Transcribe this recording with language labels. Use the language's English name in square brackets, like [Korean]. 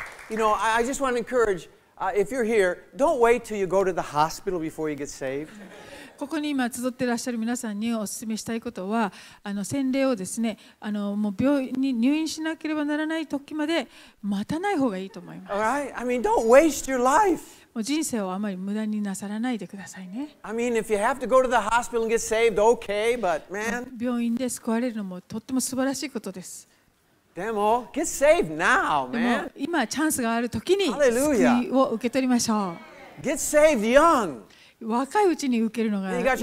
[English] You know, I just want to encourage, if you're here, don't wait till you go to the hospital before you get saved. [Japanese] ここに今集っていらっしゃる皆さんにお勧めしたいことは、あの洗礼をですね、あのもう病院に入院しなければならない時まで待たない方がいいと思います。 [English] All right. I mean, don't waste your life. [Japanese] もう人生をあまり無駄になさらないでくださいね。 [English] I mean, if you have to go to the hospital and get saved, okay, but man. [Japanese] 病院で救われるのもとっても素晴らしいことです。でも、 [English] get saved now, man. [Japanese] 今チャンスがある時に救いを受け取りましょう。 [English] Get saved young. [Japanese] 若いうちに受けるのがいいですね。